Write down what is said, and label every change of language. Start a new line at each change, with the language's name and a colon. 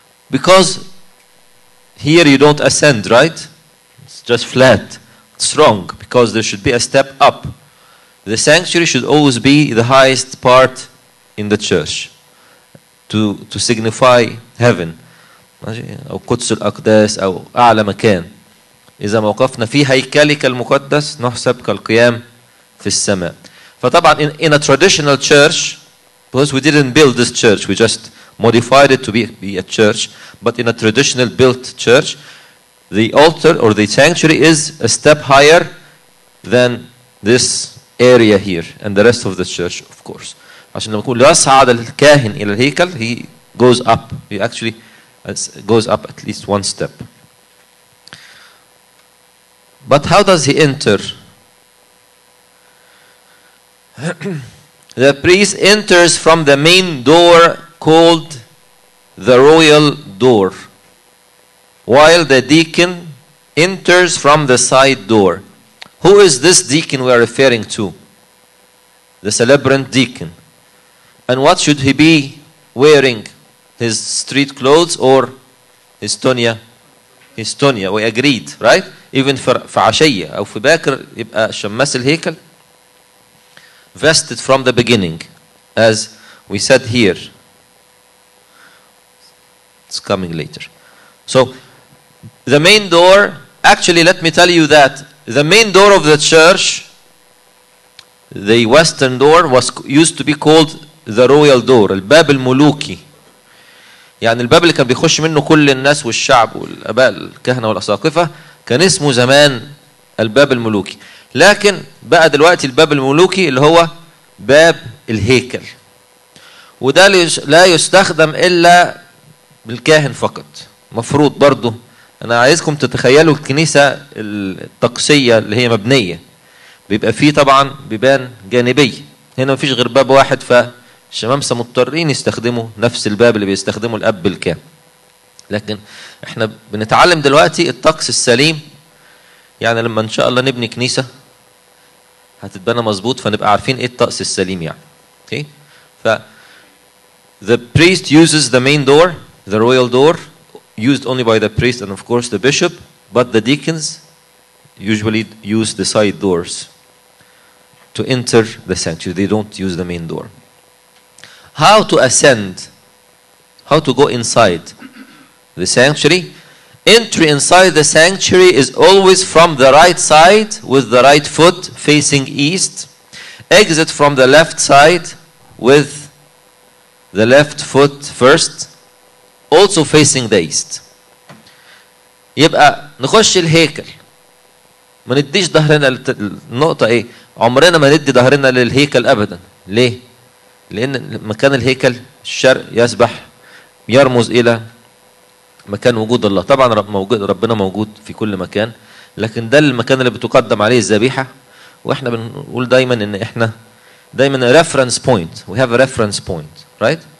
English: Because here you don't ascend, right? It's just flat. It's wrong because there should be a step up. The sanctuary should always be the highest part in the church to signify heaven.
Arabic: أو قدس الأقداس أو أعلى مكان. إذا ما وقفنا في هيكلك المقدس نحسب كالقيام في السماء. فطبعا
English: in a traditional church, because we didn't build this church, we just modified it to be a church, but in a traditional built church, the altar or the sanctuary is a step higher than this area here and the rest of the church, of course.
Arabic: عشان لما يقول يصعد الكاهن إلى الهيكل,
English: he goes up. He actually goes up at least one step. But how does he enter? The priest enters from the main door called the royal door, while the deacon enters from the side door. Who is this deacon we are referring to? The celebrant deacon. And what should he be wearing? His street clothes or his tunia? His tunia, we agreed, right? Even for Ashayya or for Bakr,
Arabic: يبقى شمس الهيكل.
English: Vested from the beginning, as we said here. It's coming later. So, the main door, actually, let me tell you that the main door of the church, the western door, was used to be called the royal door,
Arabic: الباب الملوكي. يعني الباب اللي كان بيخش منه كل الناس والشعب والأباء الكهنة والأساقفة كان اسمه زمان الباب الملوكي. لكن بقى دلوقتي الباب الملوكي اللي هو باب الهيكل. وده لا يستخدم إلا بالكاهن فقط. مفروض برضو أنا عايزكم تتخيلوا الكنيسة الطقسية اللي هي مبنية. بيبقى فيه طبعا بيبان جانبي. هنا مفيش غير باب واحد فالشمامسة مضطرين يستخدموا نفس الباب اللي بيستخدمه الأب الكاهن. لكن احنا بنتعلم دلوقتي الطقس السليم. يعني لما إن شاء الله نبني كنيسة هتتبنى مظبوط فنبقى عارفين ايه الطقس السليم يعني.
English: Okay. ف the priest uses the main door, the royal door, used only by the priest and of course the bishop, but the deacons usually use the side doors to enter the sanctuary. They don't use the main door. How to ascend? How to go inside the sanctuary? Entry inside the sanctuary is always from the right side with the right foot facing east. Exit from the left side with the left foot first, also facing the east.
Arabic: يبقى نخش الهيكل ما نديش ظهرنا للنقطة ايه؟ عمرنا ما ندي ظهرنا للهيكل أبدا. ليه؟ لأن مكان الهيكل الشرق يسبح يرمز إلى مكان وجود الله. طبعا ربنا موجود في كل مكان, لكن ده المكان اللي بتقدم عليه الذبيحة. واحنا بنقول دايما ان احنا دايما
English: reference point, we have a reference point, right?